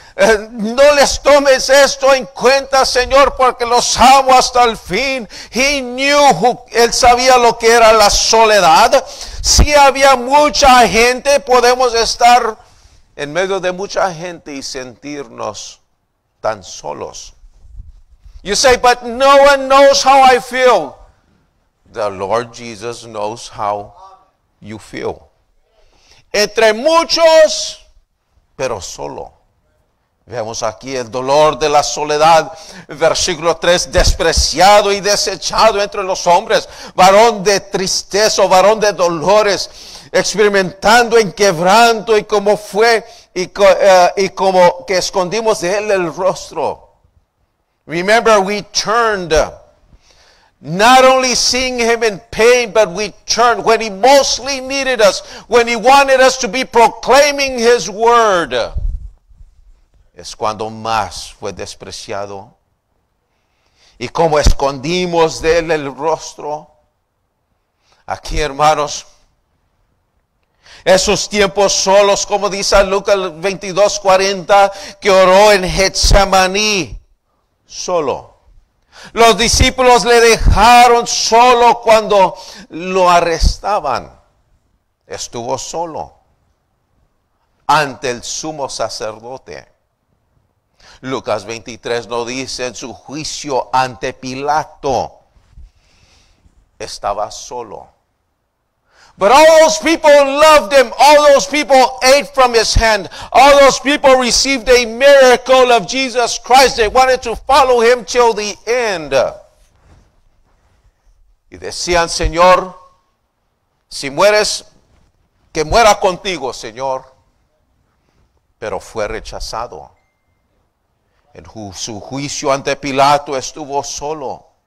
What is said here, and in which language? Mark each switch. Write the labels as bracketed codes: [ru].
[es] No les tomes esto en cuenta, Señor, porque los amo hasta el fin. [en] He knew who, [es] él sabía lo que era la soledad. Si había mucha gente, podemos estar en medio de mucha gente y sentirnos tan solos. [en] You say, but no one knows how I feel. The Lord Jesus knows how you feel. [es] Entre muchos, pero solo. Vemos aquí el dolor de la soledad, versículo 3, despreciado y desechado entre los hombres, varón de tristeza, varón de dolores, experimentando en quebranto y como fue, y como que escondimos de él el rostro. [en] Remember, we turned, not only seeing him in pain, but we turned when he mostly needed us, when he wanted us to be proclaiming his word. [es] Es cuando más fue despreciado. Y como escondimos de él el rostro. Aquí, hermanos, esos tiempos solos, como dice Lucas 22:40, que oró en Getsemaní, solo. Los discípulos le dejaron solo cuando lo arrestaban. Estuvo solo ante el sumo sacerdote. Lucas 23 nos dice, en su juicio ante Pilato, estaba solo. [en] But all those people loved him. All those people ate from his hand. All those people received a miracle of Jesus Christ. They wanted to follow him till the end. [es] Y decían, Señor, si mueres, que muera contigo, Señor. Pero fue rechazado. En su juicio ante Pilato estuvo solo.